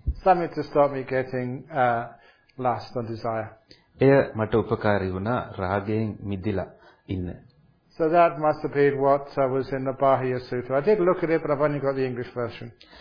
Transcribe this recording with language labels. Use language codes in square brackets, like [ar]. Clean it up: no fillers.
[en] Something to stop me getting lust and desire. [si] එය මට උපකාරී වුණා රාගයෙන් මිදිලා ඉන්න. [en] So that must have been what was in the Bahya Sutra. I did look at it, but I've only got the English version.